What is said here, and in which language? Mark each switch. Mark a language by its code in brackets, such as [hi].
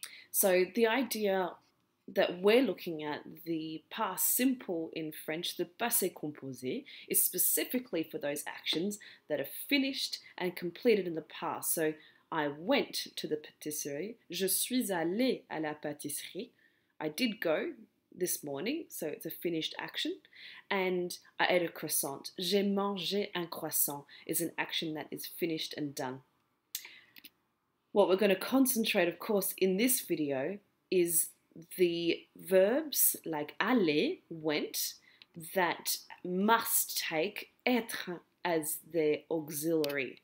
[en] So the idea that we're looking at, the past simple in French, the passé composé, is specifically for those actions that are finished and completed in the past. So I went to the pâtisserie. [fr] Je suis allé à la pâtisserie. [en] I did go this morning, so it's a finished action, and I ate a croissant. [fr] J'ai mangé un croissant [en] is an action that is finished and done. What we're going to concentrate, of course, in this video is the verbs like aller, went, that must take être as their auxiliary.